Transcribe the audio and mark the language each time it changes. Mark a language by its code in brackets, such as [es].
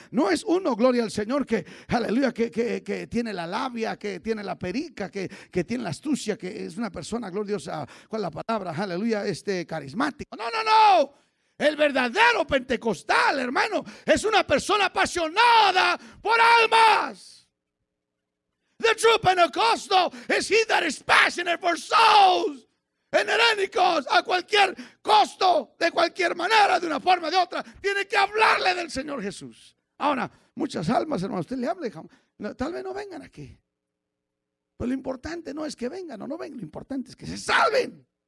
[es] No es uno, gloria al Señor, que, aleluya, que tiene la labia, que tiene la perica, que tiene la astucia, que es una persona, gloria a Dios, ¿cuál es la palabra? Aleluya, carismático. No, el verdadero pentecostal, hermano, es una persona apasionada por almas. [en] The true Pentecostal is he that is passionate for souls. [es] En herénicos, a cualquier costo, de cualquier manera, de una forma o de otra, tiene que hablarle del Señor Jesús. Ahora, muchas almas, hermano, usted le hable, tal vez no vengan aquí. Pero lo importante no es que vengan o no vengan, lo importante es que se salven.